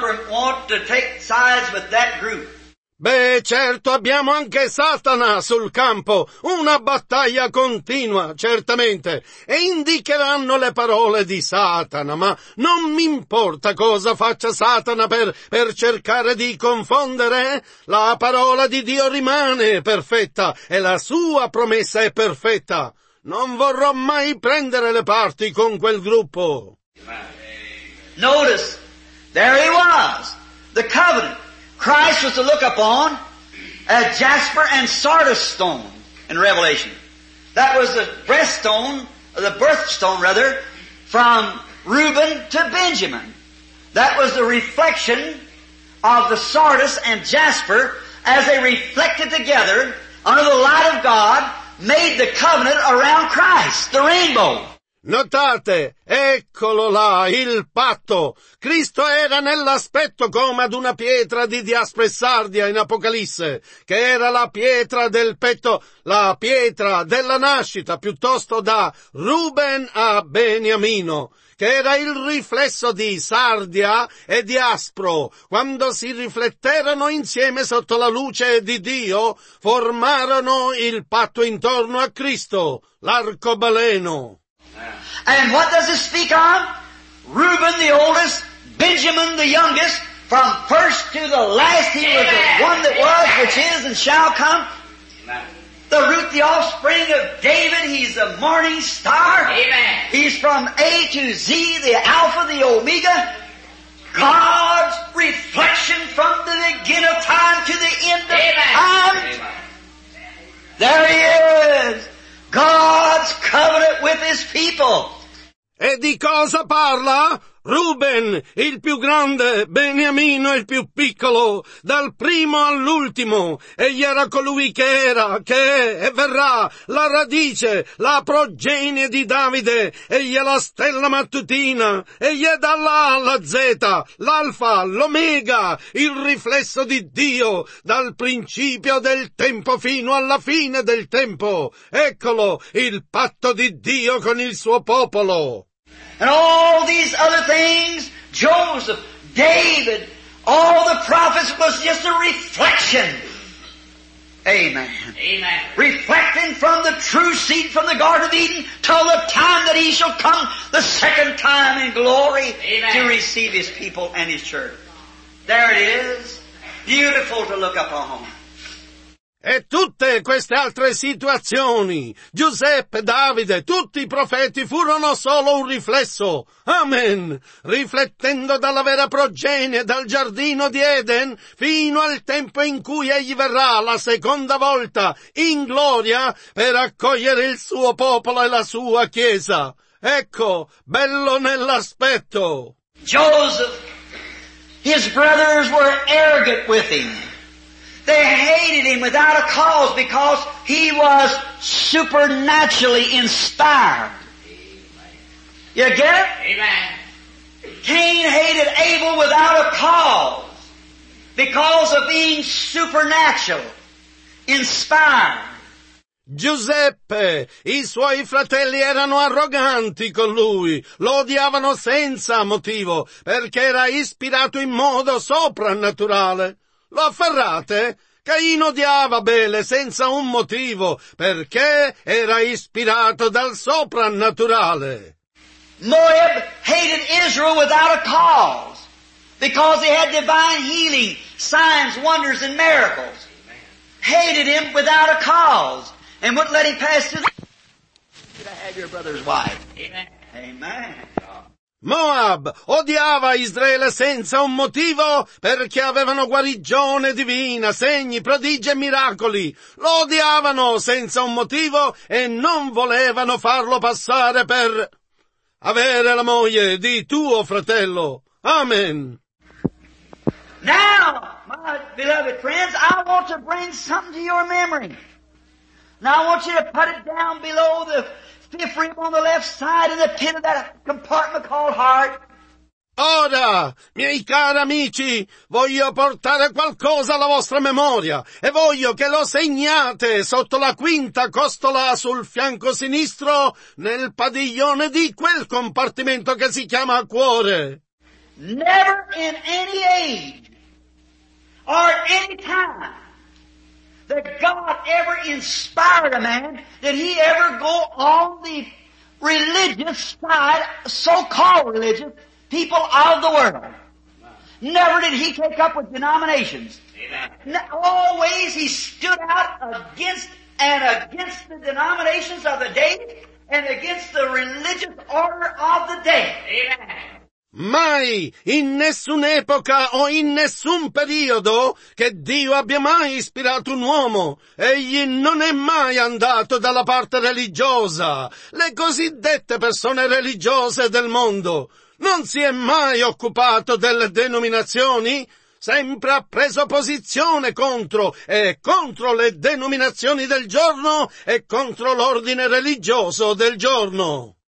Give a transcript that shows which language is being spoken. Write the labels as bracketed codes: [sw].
[en] Want to take sides with that group. [it] Beh, certo, abbiamo anche Satana sul campo, una battaglia continua, certamente, e indicheranno le parole di Satana, ma non mi importa cosa faccia Satana per cercare di confondere, la parola di Dio rimane perfetta e la sua promessa è perfetta. Non vorrò mai prendere le parti con quel gruppo. [en] Notice, there he was, the covenant. Christ was to look upon a jasper and sardis stone in Revelation. That was the breaststone, the birthstone rather, from Reuben to Benjamin. That was the reflection of the sardis and jasper as they reflected together under the light of God, made the covenant around Christ, the rainbow. [it] Notate, eccolo là, il patto. Cristo era nell'aspetto come ad una pietra di diaspro e sardia in Apocalisse, che era la pietra del petto, la pietra della nascita, piuttosto da Ruben a Beniamino, che era il riflesso di sardia e diaspro. Quando si rifletterono insieme sotto la luce di Dio, formarono il patto intorno a Cristo, l'arcobaleno. [en] And what does it speak of? Reuben the oldest, Benjamin the youngest, from first to the last he was the one that was, which is, and shall come. The root, the offspring of David, he's the morning star. He's from A to Z, the Alpha, the Omega. God's reflection from the beginning of time to the end of time. There he is. God's covenant with his people. [it] E di cosa parla? Ruben, il più grande, Beniamino, il più piccolo, dal primo all'ultimo, egli era colui che era, che è e verrà, la radice, la progenie di Davide, egli è la stella mattutina, egli è dall'A alla Z, l'Alfa, l'Omega, il riflesso di Dio, dal principio del tempo fino alla fine del tempo. Eccolo, il patto di Dio con il suo popolo. [en] And all these other things, Joseph, David, all the prophets was just a reflection. Amen. Amen. Reflecting from the true seed from the Garden of Eden till the time that he shall come the second time in glory. Amen. To receive his people and his church. There it is. Beautiful to look upon. [it] E tutte queste altre situazioni, Giuseppe, Davide, tutti i profeti furono solo un riflesso. Amen. Riflettendo dalla vera progenie, dal giardino di Eden, fino al tempo in cui egli verrà la seconda volta in gloria per accogliere il suo popolo e la sua chiesa. Ecco, bello nell'aspetto. [en] Joseph, his brothers were arrogant with him. They hated him without a cause because he was supernaturally inspired. Amen. You get it? Amen. Cain hated Abel without a cause because of being supernatural, inspired. [it] Giuseppe, i suoi fratelli erano arroganti con lui, lo odiavano senza motivo perché era ispirato in modo soprannaturale. Lo afferrate? Caino odiava Abele senza un motivo, perché era ispirato dal soprannaturale. [en] Moab hated Israel without a cause, because he had divine healing, signs, wonders, and miracles. Hated him without a cause, and wouldn't let him pass through. Should I have your brother's wife? Amen. Amen. [it] Moab odiava Israele senza un motivo perché avevano guarigione divina, segni, prodigi e miracoli. Lo odiavano senza un motivo e non volevano farlo passare per avere la moglie di tuo fratello. Amen. [en] Now, my beloved friends, I want to bring something to your memory. Now I want you to put it down below the fifth rib on the left side in the pit of that compartment called heart. [it] Ora, miei cari amici, voglio portare qualcosa alla vostra memoria e voglio che lo segnate sotto la quinta costola sul fianco sinistro nel padiglione di quel compartimento che si chiama cuore. [en] Never in any age or any time that God ever inspired a man did he ever go on the religious side, so-called religious, people of the world. Never did he take up with denominations. Amen. Always he stood out against the denominations of the day and against the religious order of the day. Amen. [it] Mai, in nessun'epoca o in nessun periodo, che Dio abbia mai ispirato un uomo, egli non è mai andato dalla parte religiosa, le cosiddette persone religiose del mondo. Non si è mai occupato delle denominazioni, sempre ha preso posizione contro e contro le denominazioni del giorno e contro l'ordine religioso del giorno.